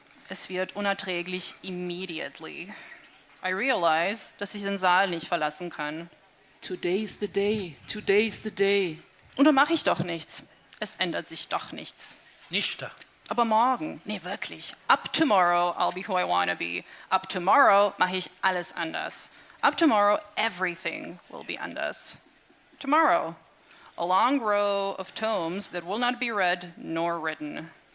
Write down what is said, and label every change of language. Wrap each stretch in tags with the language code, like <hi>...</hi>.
<de>Es wird unerträglich</de> <en>immediately. I realize,</en> <de>dass ich den Saal nicht verlassen kann.</de> <en>Today's the day, today's the day.</en> <de>Und dann mache ich doch nichts. Es ändert sich doch nichts. Nicht da. Aber morgen, nee, wirklich.</de> <en>Up tomorrow, I'll be who I wanna be. Up tomorrow,</en> <de>mache ich alles anders.</de> <en>Up tomorrow, everything will be anders. Tomorrow, a long row of tomes that will not be read nor written.</en>